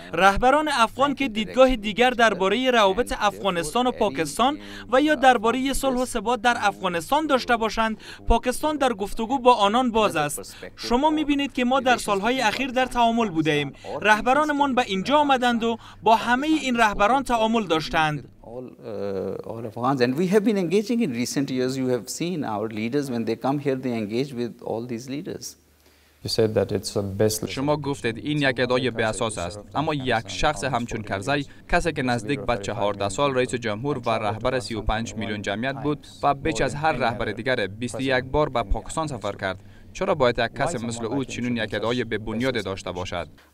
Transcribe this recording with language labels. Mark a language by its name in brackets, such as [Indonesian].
[Persian] رهبران افغان که دیدگاه دیگر درباره روابط افغانستان و پاکستان و یا درباره صلح و ثبات در افغانستان داشته باشند، پاکستان در گفتگو با آنان باز است. شما میبینید که ما در سالهای اخیر در تعامل بوده ایم. رهبرانمان به اینجا آمدند و با همه این رهبران تعامل داشتند. [English] All Afghans, and we have been engaging in recent years. You have seen our leaders when they come here; they engage with all these leaders. You said that it's a baseless. [Persian] شما گفتید این یک ادعای بی اساس است. اما یک شخص همچون کرزی، کسی که نزدیک به 14 سال رئیس جمهور و رهبر 35 میلیون جمعیت بود و بیش از هر رهبر دیگر 21 بار به پاکستان سفر کرد. چرا باید یک کس مثل او چنین یک ادعای به بنیاد داشته باشد؟